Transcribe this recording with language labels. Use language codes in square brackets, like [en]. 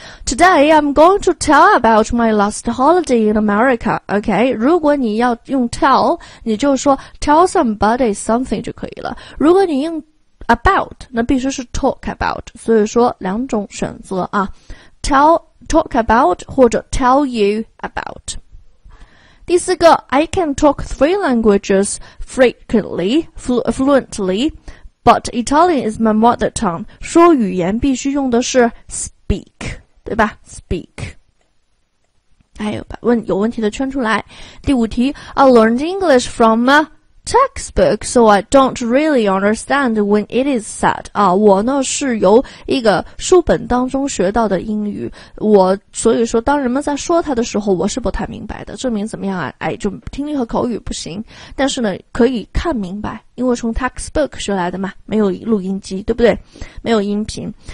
[en] Today I'm going to tell about my last holiday in America OK [zh] 如果你要用 [en] tell [zh] 你就说 [en] tell somebody something [zh] 就可以了如果你用 [en] about [zh] 那必须是 [en] talk about [zh] 所以说两种选择啊 [en] talk about [zh] 或者 [en] tell you about [zh] 第四个 [en] I can talk three languages frequently, fluently, but Italian is my mother tongue. [zh] 说语言必须用的是 speak, 对吧 ?speak. 还有把问有问题的圈出来。第五题 [en] I learned English from a textbook, so I don't really understand when it is said. [zh] 啊我呢是由一个书本当中学到的英语。我所以说当人们在说它的时候我是不太明白的。证明怎么样啊哎就听力和口语不行。但是呢可以看明白因为从 textbook 学来的嘛没有录音机对不对没有音频。